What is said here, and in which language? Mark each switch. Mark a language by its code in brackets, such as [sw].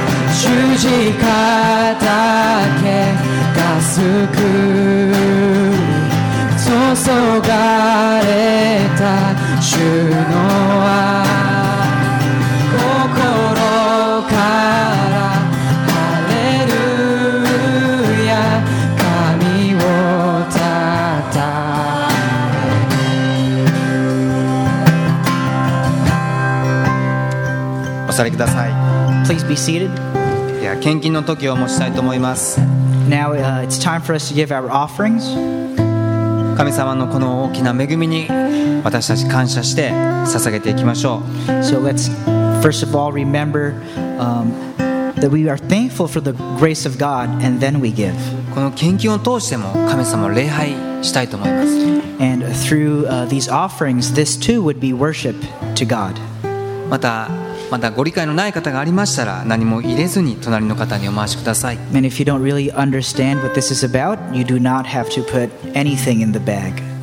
[ja] 十字架だけが救い、注がれた主の愛、心からハレルヤ、神をたたえ。お座りください。 [en] Please be seated. [ja] 献金の時を持ちたいと思います。 [en] Now, it's time for us to give our offerings. [ja] 神様のこの大きな恵みに私たち感謝して捧げていきましょう。 [en] So let's first of all remember, that we are thankful for the grace of God, and then we give. [ja] この献金を通しても神様を礼拝したいと思います。 [en] And through, these offerings, this too would be worship to God. [ja] またまだご理解のない方がありましたら何も入れずに隣の方にお回しください。 [en] And if you don't really understand what this is about, you do not have to put anything in the bag.